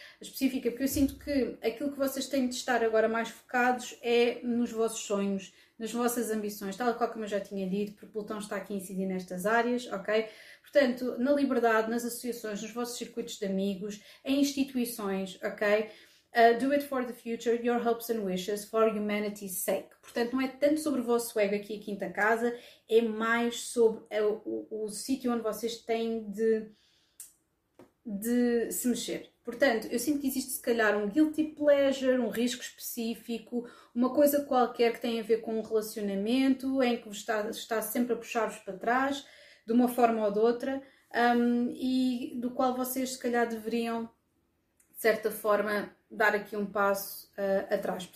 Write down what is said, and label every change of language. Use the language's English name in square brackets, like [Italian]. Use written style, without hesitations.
[Portuguese] específica, porque eu sinto que aquilo que vocês têm de estar agora mais focados é nos vossos sonhos, nas vossas ambições, tal qual como eu já tinha dito, porque Plutão está aqui a incidir nestas áreas, ok? Portanto, na liberdade, nas associações, nos vossos circuitos de amigos, em instituições, ok? [English] Do it for the future, your hopes and wishes, for humanity's sake. [Portuguese] Portanto, não é tanto sobre o vosso ego aqui, a quinta casa, é mais sobre o sítio onde vocês têm de se mexer. Portanto, eu sinto que existe, se calhar, um [English] guilty pleasure, [Portuguese] um risco específico, uma coisa qualquer que tenha a ver com um relacionamento em que está sempre a puxar-vos para trás, de uma forma ou de outra, e do qual vocês, se calhar, deveriam, de certa forma, dar aqui um passo atrás.